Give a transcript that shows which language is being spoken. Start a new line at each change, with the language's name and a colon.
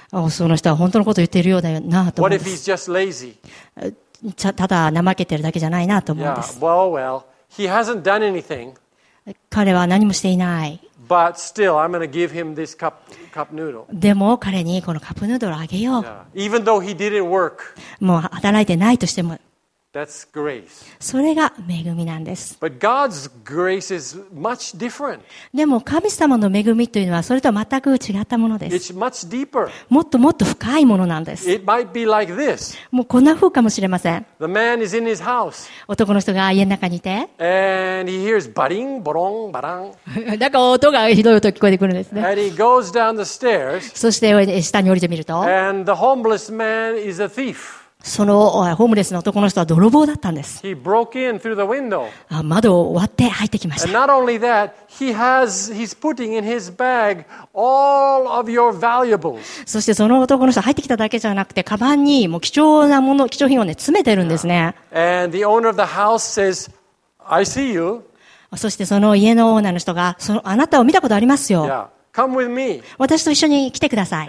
Japanese: その人は本当のことを言っているようだよなと思うんです。ただ怠けてるだけじゃないなと思うんです。
English: Yeah. Well, well. He hasn't done anything.
Japanese: 彼は何もしていない。
English: But still, I'm gonna give him this cup noodle.
Japanese: でも彼にこのカップヌードルをあげよう。
English: Yeah. Even though he didn't work.
Japanese: もう働いてないとしても。
English: That's grace.
Japanese: それが恵みなんです。
English: But God's grace is much different.
Japanese: でも神様の恵みというのはそれとは全く違ったものです。
English: It's much deeper.
Japanese: もっともっと深いものなんです。
English: It might be like this.
Japanese: もうこんな風かもしれません。
English: The man is in his house.
Japanese: 男の人が家の中にいて。
English: And he hears バリン、ボロン、バラン。
Japanese: なんか音がひどい音聞こえてくるんですね。
English: And he goes down the stairs.
Japanese: そして下に降りてみると。
English: And the homeless man is a thief.
Japanese: そのホームレスの男の人は泥棒だったんです。
English: He broke in through the window.
Japanese: 窓を割って入ってきました。
English: And not only that, he's putting in his bag all of your valuables.
Japanese: そしてその男の人は入ってきただけじゃなくて、カバンにもう貴重なもの、貴重品をね、詰めてるんですね。
English: Yeah. And the owner of the house says, I see you.
Japanese: そしてその家のオーナーの人が、あなたを見たことありますよ。
English: Yeah. Come with me.
Japanese: 私と一緒に来てください。